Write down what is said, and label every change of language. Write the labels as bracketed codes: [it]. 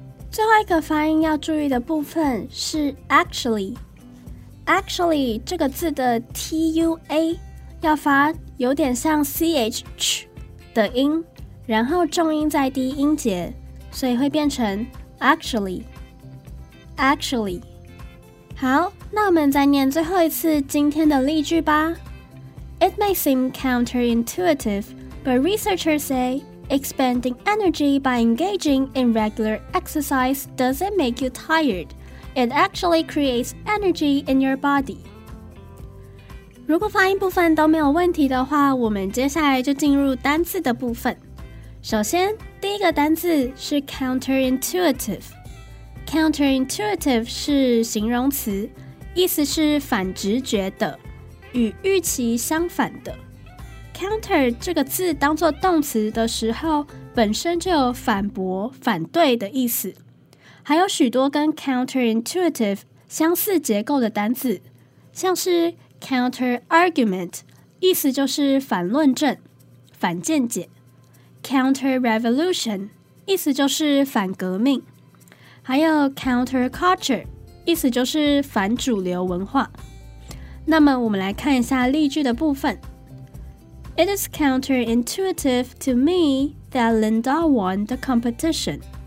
[zh] 最后一个发音要注意的部分是 actually， actually 这个字的 T-U-A 要发有点像 C-H 的音，然后重音在第一音节，所以会变成 [en] Actually, actually. [zh] 好，那我们再念最后一次今天的例句吧。 [en] It may seem counterintuitive, but researchers say expending energy by engaging in regular exercise doesn't make you tired. It actually creates energy in your body. [zh] 如果发音部分都没有问题的话，我们接下来就进入单字的部分。首先，第一个单字是 counterintuitive。 counterintuitive 是形容词，意思是反直觉的，与预期相反的。 counter 这个字当作动词的时候，本身就有反驳、反对的意思。还有许多跟 counterintuitive 相似结构的单字，像是 counterargument， 意思就是反论证、反见解。 Counter-revolution 意思就是反革命，还有 counter-culture 意思就是反主流文化。那么我们来看一下例句的部分。 [en] It is counter-intuitive to me that Linda won the competition.